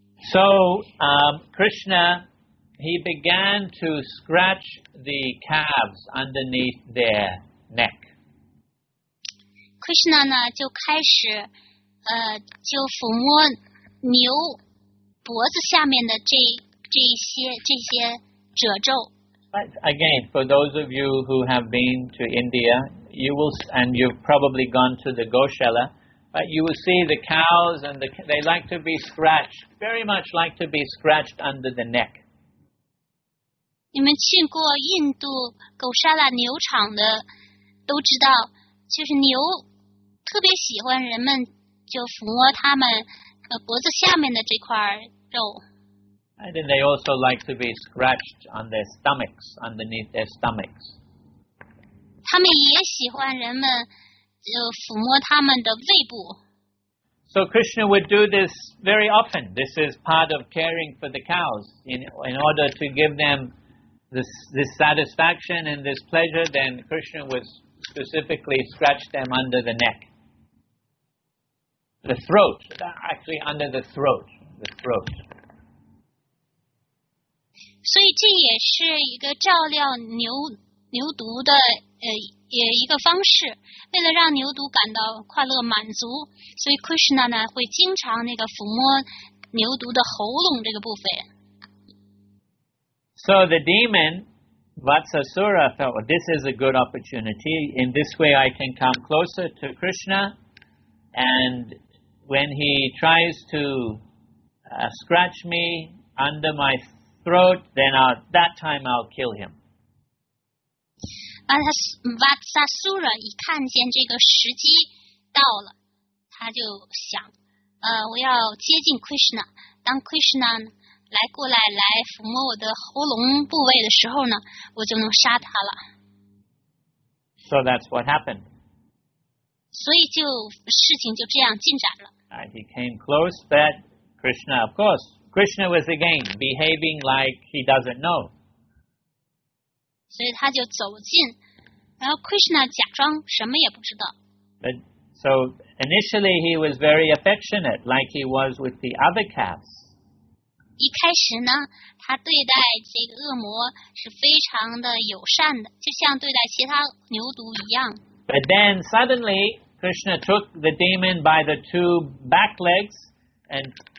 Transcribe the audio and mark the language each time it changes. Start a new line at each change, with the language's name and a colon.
English: So, Krishna, he began to scratch the calves underneath their neck.
Chinese: Krishna 呢就开始就抚摸牛脖子下面的这些褶皱。
English: But again, for those of you who have been to India, you will, and you've probably gone to the Goshala, but you will see the cows and they like to be scratched, very much like to be scratched under the neck.
Chinese: 你们去过印度狗沙拉牛场的都知道，就是牛特别喜欢人们就抚摸他们脖子下面的这块肉。
English: And then they also like to be scratched on their stomachs, underneath their stomachs.
Chinese: 他们也喜欢人们抚摸他们的胃部。
English: So Krishna would do this very often. This is part of caring for the cows. In order to give them this satisfaction and this pleasure, then Krishna would specifically scratch them under the neck. The throat. Actually under the throat. The throat.
Chinese: 所以这也是一个照料牛犊的一个方式，为了让牛犊感到快乐满足，所以 Krishna 呢会经常那个抚摸牛犊的喉咙这个部分。
English: So the demon Vatsasura thought, well, this is a good opportunity. In this way, I can come closer to Krishna. And when he tries to scratch me under my throat, then at that time I'll kill him.
Chinese: Vatsasura 一看见这个时机到了，他就想，我要接近 Krishna。当 Krishna 来抚摸我的喉咙部位的时候呢，我就能杀他了。
English: So that's what happened.
Chinese: 所以就事情就这样进展了。
English: He came close, but Krishna, of course. Krishna was again behaving like he doesn't know. So he
Chinese: 就走近，然后 Krishna 假装什么也不知道。
English: But so initially he was very affectionate, like he was with the other calves.
Chinese: 一开始呢，他对待这个恶魔是非常的友善的，就像对待其他牛犊一样。
English: But then suddenly Krishna took the demon by the two back legs and.